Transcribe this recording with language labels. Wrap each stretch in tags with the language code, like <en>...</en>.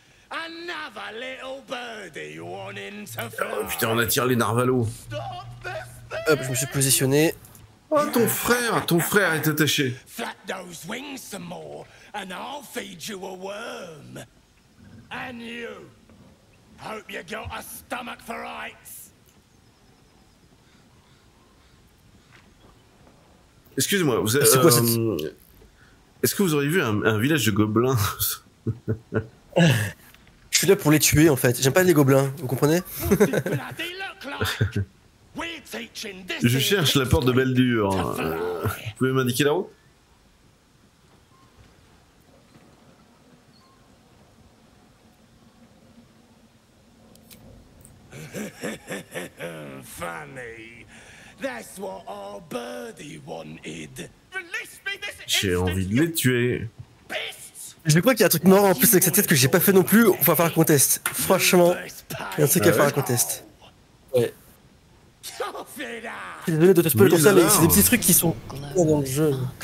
<en>Another little birdie wanting to fly.</en> <fr>Oh putain, on attire les narvalos. Hop, je me suis positionné. Oh, ton frère est attaché.</fr> <en>Flap those wings some more, and I'll feed you a worm. And you, hope you got a stomach for heights.</en> <fr>Excuse-moi, vous avez... C'est quoi cette... Est-ce que vous auriez vu un village de gobelins? Je suis là pour les tuer en fait, j'aime pas les gobelins, vous comprenez? Je cherche la porte de Beldur. Vous pouvez m'indiquer la route?</fr> <en>Funny. That's what our birdie wanted.</en> <fr>J'ai envie de les tuer. Je crois qu'il y a un truc mort en plus avec cette tête que j'ai pas fait non plus. On va faire un contest. Franchement, il y a un truc à faire un contest. Ouais. Je suis désolé de te spoiler comme ça, mais c'est des petits trucs qui sont dans le jeu.</fr>